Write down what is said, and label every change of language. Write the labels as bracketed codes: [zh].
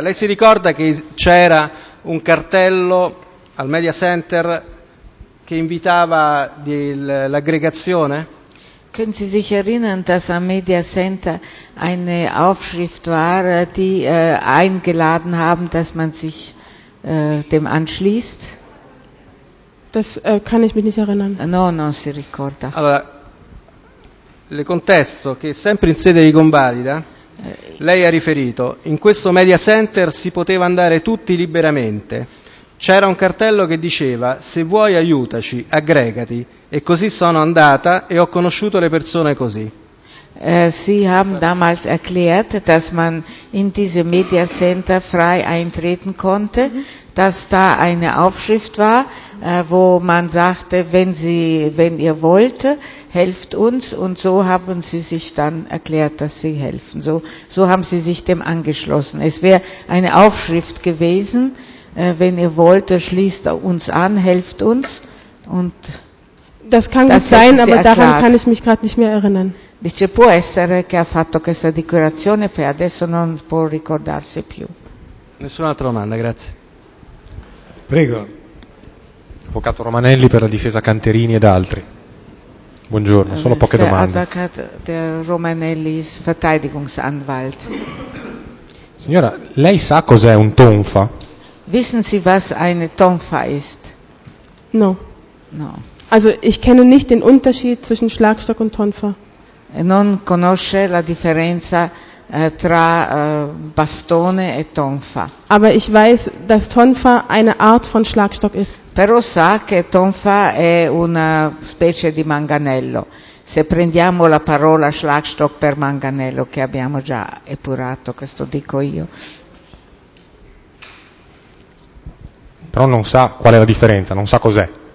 [it] Lei si ricorda che c'era un cartello al Media Center che invitava l'aggregazione? [de] Können Sie sich erinnern, dass am Media Center eine Aufschrift war, die eingeladen haben, dass man sich dem anschließt? Das kann ich mich nicht erinnern. [it] No, non si ricorda. Allora, le contesto che sempre in sede di convalida lei ha riferito: in questo Media Center si poteva andare tutti liberamente. C'era un cartello che diceva: se vuoi aiutaci, aggregati. E così sono andata e ho conosciuto le persone così. [de] Sie haben damals erklärt, dass man in diese Media Center frei eintreten konnte, dass da eine Aufschrift war wo man sagte, wenn sie, wenn ihr wollt, helft uns, und so haben sie sich dann erklärt, dass sie helfen. So, so haben sie sich dem angeschlossen. Es wäre eine Aufschrift gewesen, wenn ihr wollt, schließt uns an, helft uns, und das kann gut sein, aber daran kann ich mich gerade nicht mehr erinnern. [it] Dice, può essere che ha fatto questa dichiarazione, poi adesso non può ricordarsi più. Nessun'altra domanda, grazie. Prego. Avvocato Romanelli per la difesa Canterini ed altri. Buongiorno, solo poche domande. [de] Avvocato der Romanellis Verteidigungsanwalt. [it] Signora, lei sa cos'è un tonfa? [de] Wissen Sie, was eine Tonfa ist? [it] No. No. [de] Also, ich kenne nicht den Unterschied zwischen Schlagstock und Tonfa. [it] Non conosce la differenza tra bastone e tonfa. [de] Aber ich weiß, dass tonfa eine Art von Schlagstock ist. [it] Però sa che tonfa è una specie di manganello. Se prendiamo la parola Schlagstock per manganello, che abbiamo già epurato, questo dico io. Però non sa qual è la differenza, non sa cos'è.